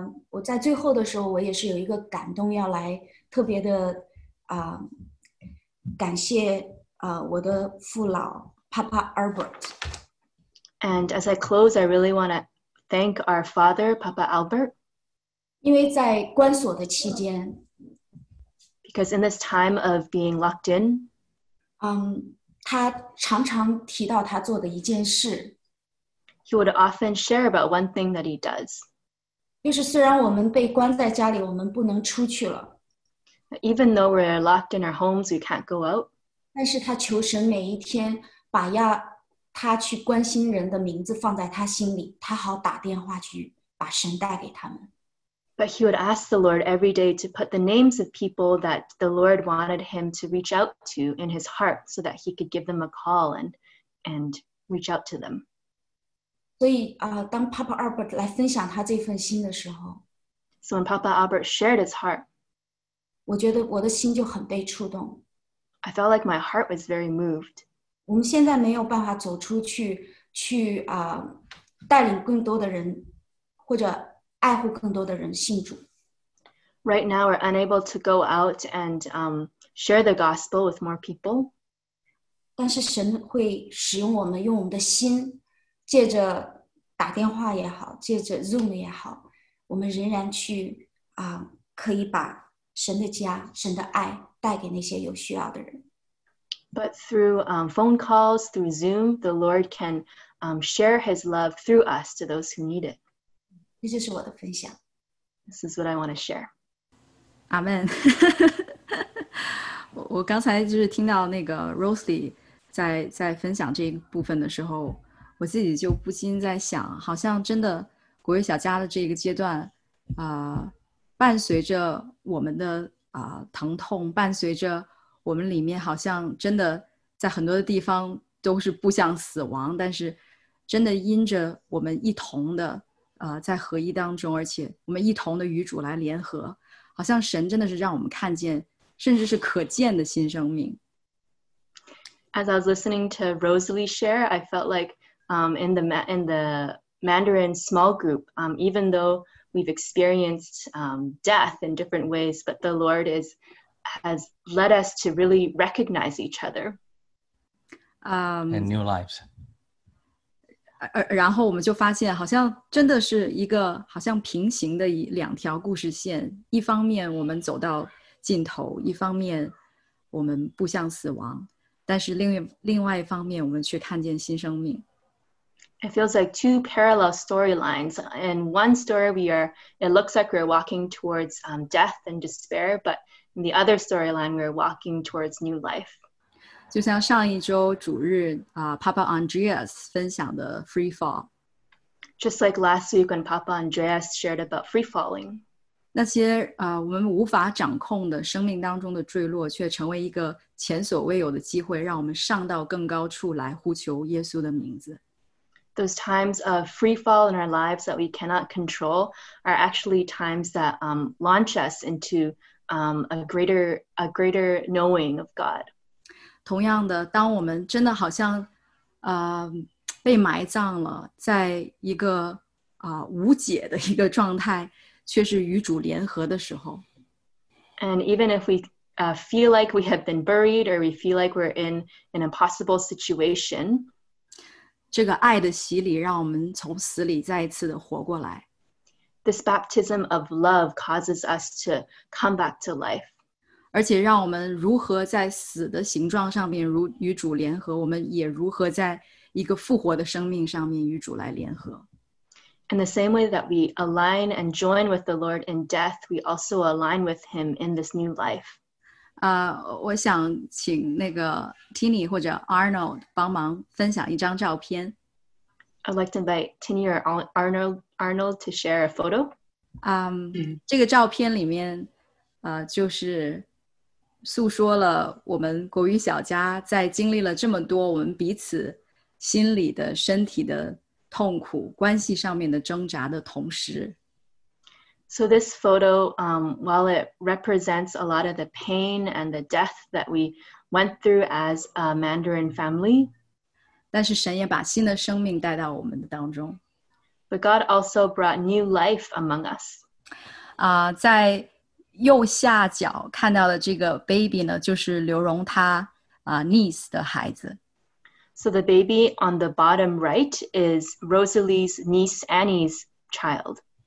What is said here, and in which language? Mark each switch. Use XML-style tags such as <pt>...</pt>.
<zh>我在最后的时候，我也是有一个感动要来特别的感谢我的父老 Papa Albert.</zh> <en>And as I close, I really want to thank our father, Papa Albert.</en> <zh>因为在关锁的期间</zh> <en>Because in this time of being locked in,</en> <zh>他常常提到他做的一件事</zh> <en>He would often share about one thing that he does.</en> <zh>就是虽然我们被关在家里，我们不能出去了。</zh> <en>Even though we're locked in our homes, we can't go out.</en> <zh>但是他求神每一天把要他去关心人的名字放在他心里，他好打电话去把神带给他们。</zh> <en>But he would ask the Lord every day to put the names of people that the Lord wanted him to reach out to in his heart so that he could give them a call and reach out to them.</en> <zh>所以当 Papa Albert 来分享他这份心的时候</zh> <en>So when Papa Albert shared his heart,</en> <zh>我觉得我的心就很被触动。</zh> <en>I felt like my heart was very moved.</en> <zh>我们现在没有办法走出去去带领更多的人或者爱护更多的人信主。</zh> <en>Right now we're unable to go out and share the gospel with more people.</en> <zh>但是神会使用我们用我们的心借着打电话也好，借着 Zoom 也好，我们仍然去可以把神的家、神的爱带给那些有需要的人。</zh> <en>But through phone calls, through Zoom, the Lord can share His love through us to those who need it.</en> <zh>这就是我的分享。</zh> <en>This is what I want to share. Amen.</en> <zh>我刚才就是听到那个 Rosely 在分享这一部分的时候。我自己就不禁在想，好像真的国瑞小家的这个阶段，伴随着我们的疼痛，伴随着我们里面好像真的在很多的地方都是步向死亡，但是真的因着我们一同的在合一当中，而且我们一同的与主来联合，好像神真的是让我们看见，甚至是可见的新生命。</zh> <en>As I was listening to Rosely share, I felt like. In the Mandarin small group, even though we've experienced death in different ways, but the Lord has led us to really recognize each other. And new lives.</en> <zh>然后我们就发现好像真的是一个好像平行的两条故事线。一方面我们走到尽头，一方面我们步向死亡，但是另外一方面我们却看见新生命。</zh> <en>It feels like two parallel storylines. In one story, it looks like we're walking towards death and despair, but in the other storyline, we're walking towards new life.</en> <zh>就像上一周主日Papa Andreas 分享的 free fall.</zh> <en>Just like last week when Papa Andreas shared about free falling.</en> <zh>那些我们无法掌控的生命当中的坠落却成为一个前所未有的机会让我们上到更高处来呼求耶稣的名字。</zh> <en>those times of free fall in our lives that we cannot control are actually times that launch us into a greater knowing of God.</en> <zh>同样的，当我们真的好像被埋葬了，在一个无解的一个状态，却是与主联合的时候。</zh> <en>And even if we feel like we have been buried, or we feel like we're in an impossible situation,</en> <zh>这个爱的洗礼让我们从死里再一次的活过来。</zh> <en>This baptism of love causes us to come back to life.</en> <zh>而且让我们如何在死的形状上面如与主联合，我们也如何在一个复活的生命上面与主来联合。</zh> <en>In the same way that we align and join with the Lord in death, we also align with Him in this new life.</en> <zh>我想请那个 Tini 或者 Arnold 帮忙分享一张照片。</zh> <en>I'd like to invite Tini or Arnold to share a photo.</en> <zh>这个照片里面，就是。诉说了我们国语小家在经历了这么多我们彼此心里的身体的痛苦关系上面的挣扎的同时。</zh> <en>So this photo, while it represents a lot of the pain and the death that we went through as a Mandarin family,</en> <zh>但是神也把新的生命带到我们的当中。</zh> <en>But God also brought new life among us.</en> <zh>在右下角看到的这个 baby 呢，就是刘荣他niece 的孩子。</zh> <en>So the baby on the bottom right is Rosalie's niece Annie's child.</en>